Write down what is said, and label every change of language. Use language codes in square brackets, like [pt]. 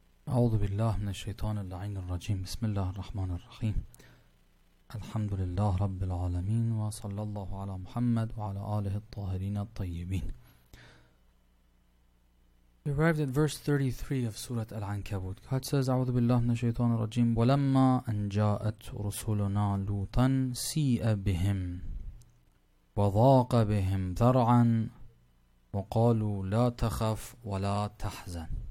[ar] أعوذ بالله من الشيطان اللعين الرجيم. بسم الله الرحمن الرحيم. الحمد لله رب العالمين، وصلى الله على محمد وعلى آله الطاهرين الطيبين. [en] We arrived at verse 33 of Surah Al-Ankabut. God says, [ar] أعوذ بالله من الشيطان الرجيم. ولما أن جاءت رسلنا لوطا سيء بهم وضاق بهم ذرعا وقالوا لا تخف ولا تحزن.